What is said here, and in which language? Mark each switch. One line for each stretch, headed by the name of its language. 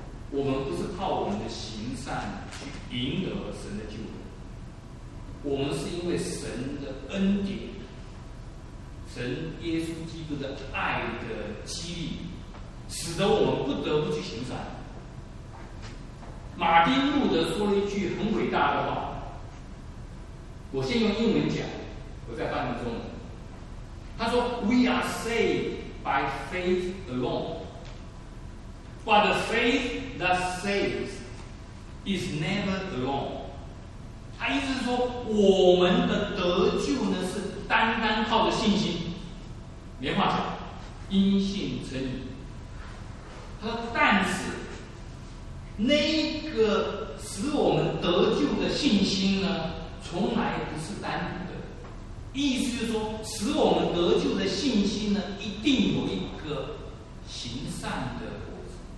Chinese: 我们不是靠我们的行善去赢得神的救恩，我们是因为神的恩典，神耶稣基督的爱的激励，使得我们不得不去行善。马丁路德说了一句很伟大的话，我先用英文讲，我再翻译中文。他说
English: We are saved by faith alone, but the faith that saves is never alone.
Chinese: 他意思是说，我们的得救呢，是单单靠着信心。连话讲，因信称义。他说，但是那个使我们得救的信心呢，从来不是单独的，意思就是说，使我们得救的信心呢，一定有一个行善的果子。